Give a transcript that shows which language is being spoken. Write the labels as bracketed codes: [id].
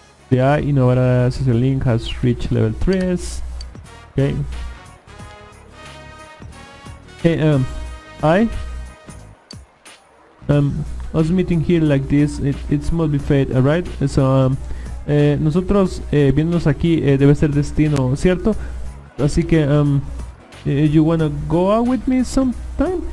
[en] The AI Innovara Social Link has reached level 3. Ok. Us meeting here like this, it must be fate, alright? [es] So, nosotros viéndonos aquí debe ser destino, ¿cierto? Así que, [en] you wanna go out with me sometime?